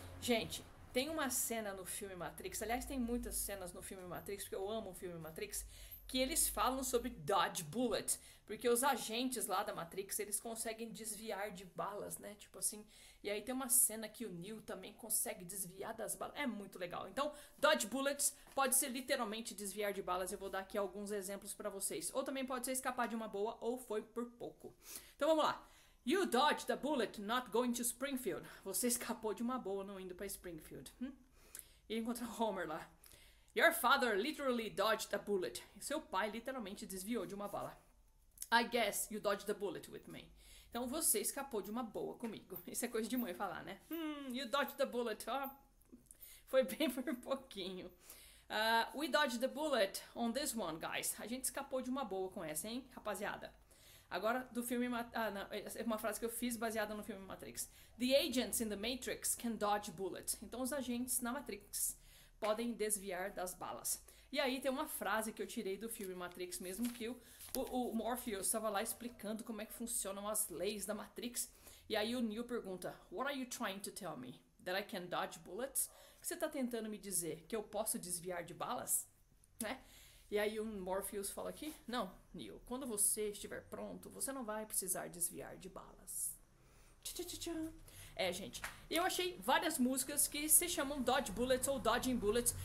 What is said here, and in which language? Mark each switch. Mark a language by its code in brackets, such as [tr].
[pt] Gente, tem uma cena no filme Matrix, aliás, tem muitas cenas no filme Matrix, porque eu amo o filme Matrix, que eles falam sobre Dodge Bullet, porque os agentes lá da Matrix, eles conseguem desviar de balas, né? Tipo assim, e aí tem uma cena que o Neo também consegue desviar das balas, é muito legal. Então, Dodge Bullets pode ser literalmente desviar de balas, eu vou dar aqui alguns exemplos pra vocês. Ou também pode ser escapar de uma boa, ou foi por pouco. Então vamos lá. [en] You dodged the bullet not going to Springfield. [pt] Você escapou de uma boa não indo para Springfield. E encontrou Homer lá. [en] Your father literally dodged the bullet. [pt] Seu pai literalmente desviou de uma bala. [en] I guess you dodged the bullet with me. [pt] Então você escapou de uma boa comigo. Isso é coisa de mãe falar, né? [en] You dodged the bullet. [pt] Oh, foi bem por um pouquinho. [en] We dodged the bullet on this one, guys. [pt] A gente escapou de uma boa com essa, hein, rapaziada? Agora, do filme... é uma frase que eu fiz baseada no filme Matrix. [en] The agents in the Matrix can dodge bullets. [pt] Então, os agentes na Matrix podem desviar das balas. E aí, tem uma frase que eu tirei do filme Matrix mesmo, que o Morpheus estava lá explicando como é que funcionam as leis da Matrix. E aí, o Neo pergunta, [en] what are you trying to tell me? That I can dodge bullets? [pt] O que você está tentando me dizer? Que eu posso desviar de balas? Né? E aí o Morpheus fala aqui, não, Neo, quando você estiver pronto, você não vai precisar desviar de balas. É, gente, eu achei várias músicas que se chamam Dodge Bullets ou Dodging Bullets.